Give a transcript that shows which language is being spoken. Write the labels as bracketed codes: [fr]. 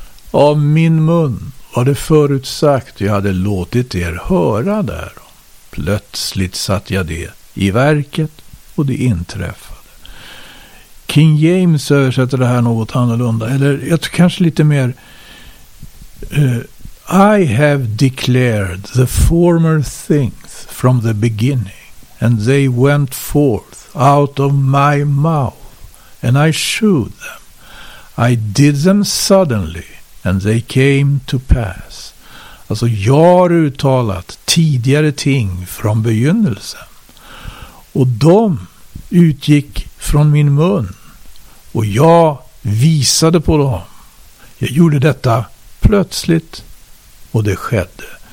[sv] Av min mun var det förutsagt jag hade låtit er höra där. Plötsligt satt jag det i verket och det inträffade. King James översätter det här något annorlunda. Eller jag tror kanske lite mer. [en] I have declared the former things from the beginning. And they went forth out of my mouth, and I shewed them. I did them suddenly, and they came to pass. [sv] Alltså, jag har uttalat tidigare ting från begynnelsen. Och de utgick från min mun, och jag visade på dem. Jag gjorde detta plötsligt, och det skedde.